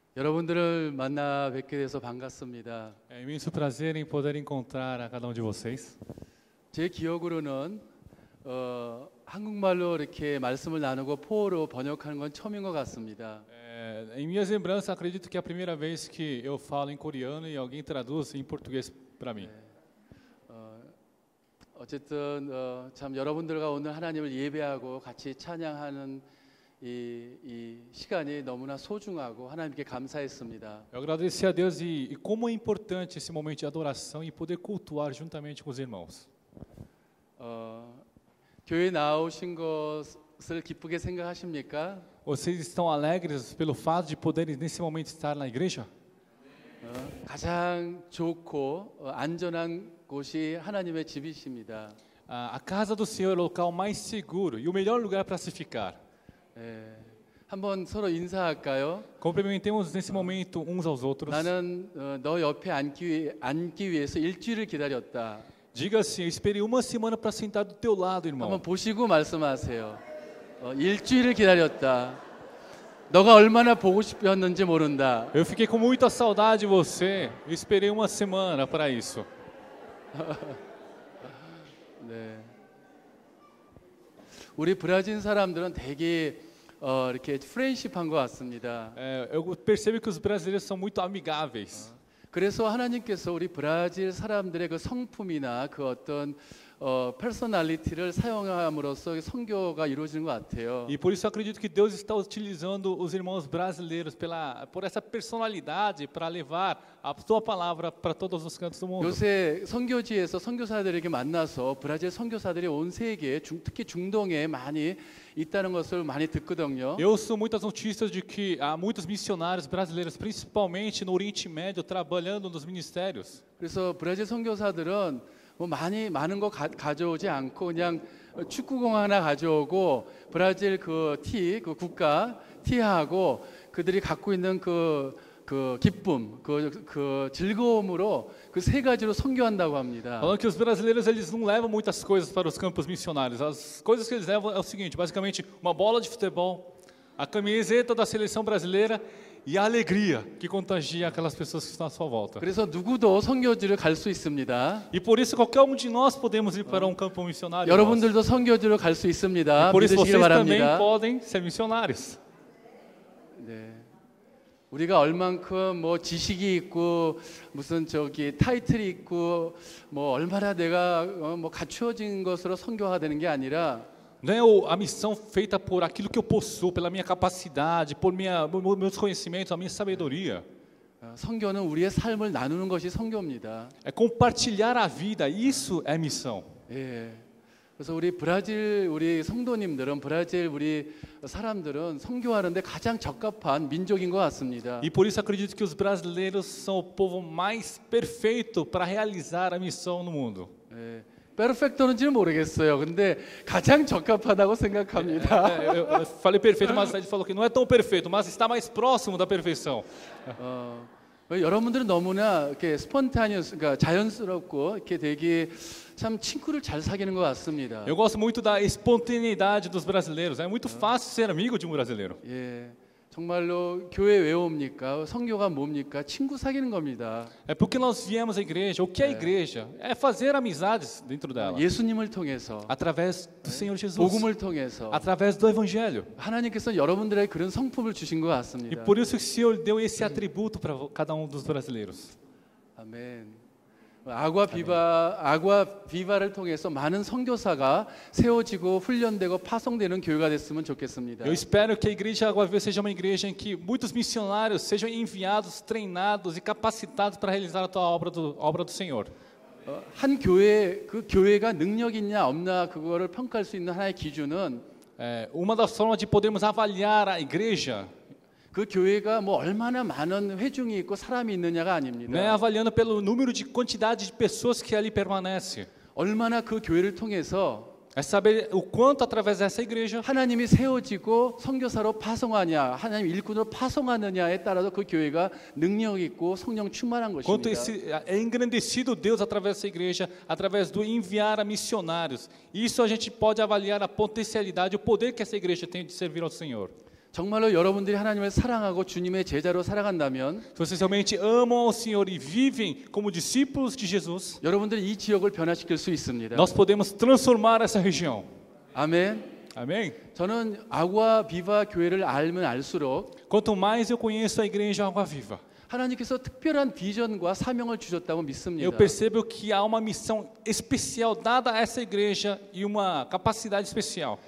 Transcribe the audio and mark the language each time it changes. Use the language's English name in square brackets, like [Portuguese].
[Korean] 여러분들을 만나 뵙게 돼서 반갑습니다. [Portuguese] É imenso prazer em poder encontrar a cada um de vocês. [Korean] 제 기억으로는 한국말로 이렇게 말씀을 나누고 포어로 번역하는 건 처음인 것 같습니다. [Portuguese] Em minhas lembranças, acredito que é a primeira vez que eu falo em coreano e alguém traduz em português para mim. [Korean] 어쨌든 참 여러분들과 오늘 하나님을 예배하고 같이 찬양하는 이 시간이 너무나 소중하고 하나님께 감사했습니다. [Portuguese] Eu agradeço a Deus e como é importante esse momento de adoração e poder cultuar juntamente com os irmãos. [Korean] 교회 나오신 것을 기쁘게 생각하십니까? [Portuguese] Vocês estão alegres pelo fato de poderem nesse momento estar na igreja? [Korean] 가장 좋고 안전한 곳이 하나님의 집이십니다. [Portuguese] A casa do Senhor é o local mais seguro e o melhor lugar para se ficar. [Korean] 한번 서로 인사할까요? [Portuguese] Cumprimentemos nesse momento uns aos outros. [Korean] 나는 너 옆에 앉기 위해서 일주일을 기다렸다. [Portuguese] Diga assim, esperei uma semana para sentar do teu lado, irmão. [Korean] 한번 보시고 말씀하세요. 일주일을 기다렸다. 너가 얼마나 보고 싶었는지 모른다. [Portuguese] Eu fiquei com muita saudade de você. Esperei uma semana para isso. [Korean] 네. 우리 브라질 사람들은 되게 이렇게 프렌십한 것 같습니다. [Portuguese] Eu percebo que os brasileiros são muito amigáveis. [Korean] 그래서 하나님께서 우리 브라질 사람들의 그 성품이나 그 어떤 personality를 사용함으로써 선교가 이루어지는 것 같아요. [Portuguese] E por isso acredito que Deus está utilizando os irmãos brasileiros por essa personalidade para levar a sua palavra para todos os cantos do mundo. [Korean] 요새 선교지에서 선교사들에게 만나서 브라질 선교사들이 온 세계 특히 중동에 많이 있다는 것을 많이 듣거든요. [Portuguese] Eu ouço muitas notícias de que há muitos missionários brasileiros principalmente no Oriente Médio trabalhando nos ministérios. [Korean] 그래서 브라질 선교사들은 뭐 많이 많은 거 가져오지 않고 그냥 축구공 하나 가져오고 브라질 그 티 그 국가 티하고 그들이 갖고 있는 그 기쁨 그 즐거움으로 그 세 가지로 선교한다고 합니다. [Portuguese] Falando que os brasileiros eles não levam muitas coisas para os campos missionários. As coisas que eles levam é o seguinte, basicamente uma bola de futebol, a camiseta da seleção brasileira e a alegria que contagia aquelas pessoas que estão à sua volta. [Korean] 그래서 누구도 선교지를 갈 수 있습니다. [Portuguese] E por isso qualquer um de nós podemos ir para um campo missionário. [Korean] 여러분들도 선교지를 갈 수 있습니다. [Portuguese] E por isso vocês também podem ser missionários. [Korean] 네. 우리가 얼만큼 뭐 지식이 있고 무슨 저기 타이틀이 있고 뭐 얼마나 내가 뭐 갖추어진 것으로 선교가 되는 게 아니라 [Portuguese] Não é a missão feita por aquilo que eu possuo, pela minha capacidade, por meus conhecimentos, a minha sabedoria. [Korean] 선교는 우리의 삶을 나누는 것이 선교입니다. [Portuguese] É compartilhar a vida, isso é missão. [Korean] 예. 그래서 우리 브라질 우리 성도님들은 브라질 우리 사람들은 선교하는데 가장 적합한 민족인 것 같습니다. [Portuguese] E por isso acredito que os brasileiros são o povo mais perfeito para realizar a missão no mundo. [Korean] 예. Perfeito는지는 모르겠어요. 근데 가장 적합하다고 생각합니다. [Portuguese] Eu falei perfeito, mas ele falou que não é tão perfeito, mas está mais próximo da perfeição. [Korean] 여러분들은 너무나 이렇게 스폰타니어스, 그러니까 자연스럽고 이렇게 되게 참 친구를 잘 사귀는 것 같습니다. [Portuguese] Eu gosto muito da espontaneidade dos brasileiros. É muito fácil ser amigo de um brasileiro. [Korean] 예, 정말로 교회 왜 옵니까? 선교가 뭡니까? 친구 사귀는 겁니다. [Portuguese] É porque nós viemos à igreja. O que é a igreja? É fazer amizades dentro dela. [Korean] 예수님을 통해서. [Portuguese] Através do Senhor Jesus. [Korean] 복음을 통해서. [Portuguese] Através do Evangelho. [Korean] 하나님께서 여러분들에게 그런 성품을 주신 것 같습니다. [Portuguese] E por isso que o Senhor deu esse atributo para cada um dos brasileiros. [Korean] 아멘. 아구아 비바를 통해서 많은 선교사가 세워지고 훈련되고 파송되는 교회가 됐으면 좋겠습니다. [Portuguese] Eu espero que a igreja Água Viva seja uma igreja em que muitos missionários sejam enviados, treinados e capacitados para realizar a tua obra do Senhor. [Korean] 한 교회 그 교회가 능력 있냐 없냐 그거를 평가할 수 있는 하나의 기준은 [Portuguese] uma das formas de podermos avaliar a igreja [Korean] 그 교회가 뭐 얼마나 많은 회중이 있고 사람이 있느냐가 아닙니다. [Portuguese] Não é avaliando pelo número de quantidade de pessoas que ali permanece. [Korean] 얼마나 그 교회를 통해서 [Portuguese] É saber o quanto através dessa igreja [Korean] 하나님이 세워지고 선교사로 파송하냐, 하나님 일꾼으로 파송하느냐에 따라서 그 교회가 능력 있고 성령 충만한 것입니다. [Portuguese] Quanto esse é engrandecido Deus através dessa igreja, através do enviar a missionários. Isso a gente pode avaliar a potencialidade, o poder que essa igreja tem de servir ao Senhor. [Korean] 정말로 여러분들이 하나님을 사랑하고 주님의 제자로 살아간다면 [Portuguese] vocês realmente amam ao Senhor e vivem como discípulos de Jesus [Korean] 여러분들이 이 지역을 변화시킬 수 있습니다. [Portuguese] Nós podemos transformar essa região. [Korean] 아멘. 아멘. 저는 아구아 비바 교회를 알면 알수록 [Portuguese] quanto mais eu conheço a igreja Água Viva [Korean] 하나님께서 특별한 비전과 사명을 주셨다고 믿습니다. [Portuguese] Eu percebo que há uma missão especial dada a essa igreja e uma capacidade especial.